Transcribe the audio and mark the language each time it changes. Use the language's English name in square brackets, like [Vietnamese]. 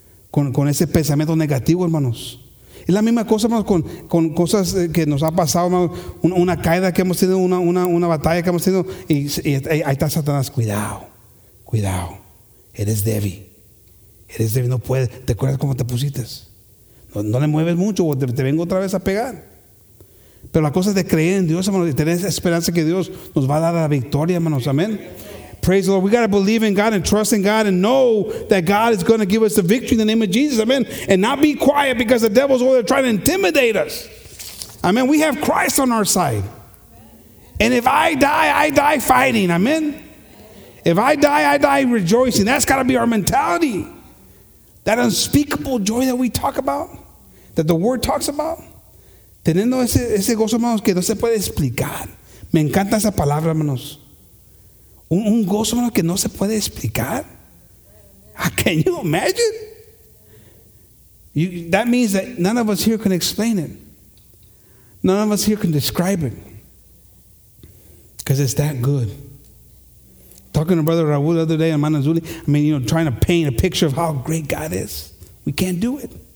[Spanish] Con ese pensamiento negativo, hermanos. Es la misma cosa, hermanos, con cosas que nos ha pasado, hermanos, una caída que hemos tenido, una batalla que hemos tenido, y ahí está Satanás, cuidado, cuidado, eres débil, no puedes, ¿te acuerdas cómo te pusiste? No le mueves mucho o te vengo otra vez a pegar. Pero la cosa es de creer en Dios, hermanos, y tener esa esperanza que Dios nos va a dar la victoria, hermanos, amén. [English] Praise the Lord. We got to believe in God and trust in God and know that God is going to give us the victory in the name of Jesus. Amen. And not be quiet because the devil's over there trying to intimidate us. Amen. We have Christ on our side. And if I die fighting. Amen. If I die rejoicing. That's got to be our mentality. That unspeakable joy that we talk about, that the word talks about. [Spanish] Teniendo ese gozo, hermanos, que no se puede explicar. Me encanta esa palabra, hermanos. Un gozo, hermano, que no se puede explicar. [English] Can you imagine? That means that none of us here can explain it. None of us here can describe it. Because it's that good. Talking to Brother Raul the other day, hermano Zuli, I mean, you know, trying to paint a picture of how great God is. We can't do it.